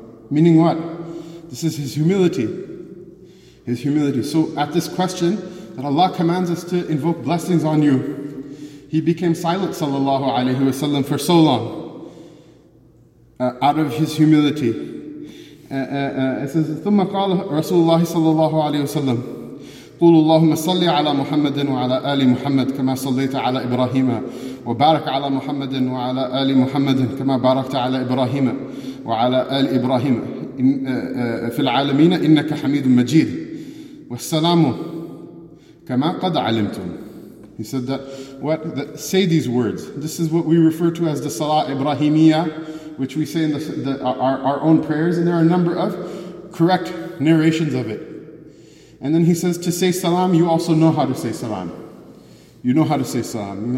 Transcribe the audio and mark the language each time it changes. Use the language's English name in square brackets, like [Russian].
[English] Meaning what? This is his humility. His humility. So at this question, that Allah commands us to invoke blessings on you, he became silent, sallallahu alayhi wa sallam, for so long, out of his humility. It says, [Arabic] ثُمَّ قَالَ رَسُولُ اللَّهِ صَلَّى اللَّهُ عَلَيْهِ وَسَلَّمُ قول اللهم صل على محمد وعلى آل محمد كما صليت على إبراهيم وبارك على محمد وعلى آل محمد كما باركت على إبراهيم وعلى آل إبراهيم في العالمين إنك حميد مجيد والسلام كما قد علمتم. [English] He said that, say these words. This is what we refer to as the Salah Ibrahimiyya, which we say in our own prayers, and there are a number of correct narrations of it. And then he says, to say salam, you also know how to say salam. You know how to say salam.